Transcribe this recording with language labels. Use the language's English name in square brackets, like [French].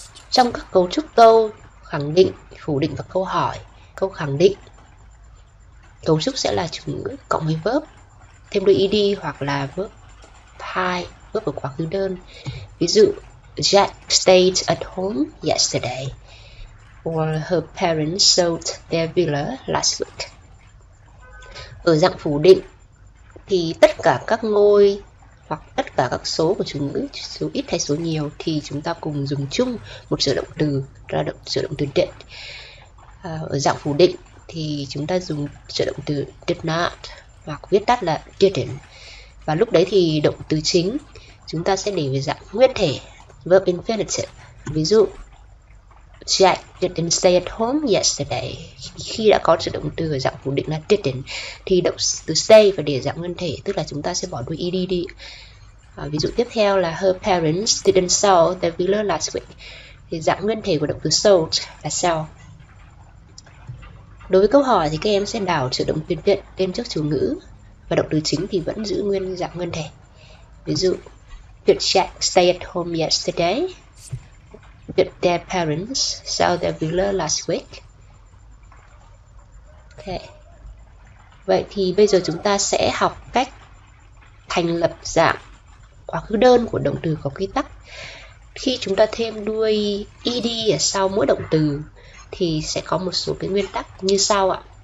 [Vietnamese] Trong các cấu trúc câu khẳng định, phủ định và câu hỏi, câu khẳng định Cấu trúc sẽ là chủ ngữ cộng với verb, thêm đuôi ed hoặc là verb past, verb ở quá khứ đơn. Ví dụ, [English] Jack stayed at home yesterday. Or her parents sold their villa last week. [Vietnamese] Ở dạng phủ định thì tất cả các ngôi hoặc tất cả các số của chủ ngữ, số ít hay số nhiều, thì chúng ta cùng dùng chung một sửa động từ, ra động sửa động từ did. Ở dạng phủ định thì chúng ta dùng sửa động từ did not hoặc viết tắt là didn't. Và lúc đấy thì động từ chính chúng ta sẽ để về dạng nguyên thể, verb infinitive. Ví dụ, [English] Jack didn't stay at home yesterday. [Vietnamese] Khi đã có sự động từ ở dạng phủ định là didn't thì động từ stay phải để dạng nguyên thể, tức là chúng ta sẽ bỏ đuôi ed đi. Ví dụ tiếp theo là [English] her parents didn't sell their villa last week. [Vietnamese] Thì dạng nguyên thể của động từ sold là sell. Đối với câu hỏi thì các em sẽ đảo sự động từ did lên trước chủ ngữ và động từ chính thì vẫn giữ nguyên dạng nguyên thể. Ví dụ, [English] did Jack stay at home yesterday? Did their parents sell their villa last week? Okay. [Vietnamese] Vậy thì bây giờ chúng ta sẽ học cách thành lập dạng quá khứ đơn của động từ có quy tắc. Khi chúng ta thêm đuôi ed ở sau mỗi động từ thì sẽ có một số cái nguyên tắc như sau ạ.